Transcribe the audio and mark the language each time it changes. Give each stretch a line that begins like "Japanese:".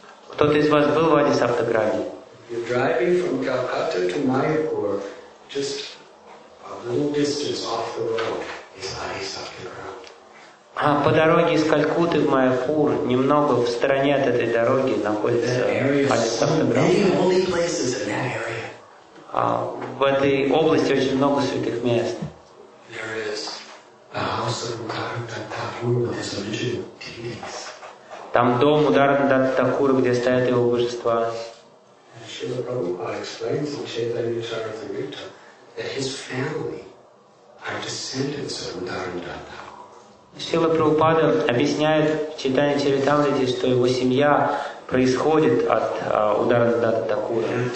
Russian: Кто-то из вас был в Адисаптаграде?
English: You're driving from Calcutta to Mayapur, just a little distance off the road, is Adisaptagram.
Russian: По дороге из Калькутты в Майяпур, немного в стороне от этой дороги, находится Адисаптаграм.
English: There are many holy places in that area.
Russian: В этой области очень много святых мест.
English: There is the house of Karantatapur of his original deities.
Russian: Там дом Ударнадат Такура, где стоят его божества.
English: Шрила Прабхупада explains in Chaitanya Charitamrita that his family are descendants of Ударнадат Такура.
Russian: Шрила Прабхупада объясняет в Чайтанья Чаритамрите, что его семья происходит от Ударнадат Такура.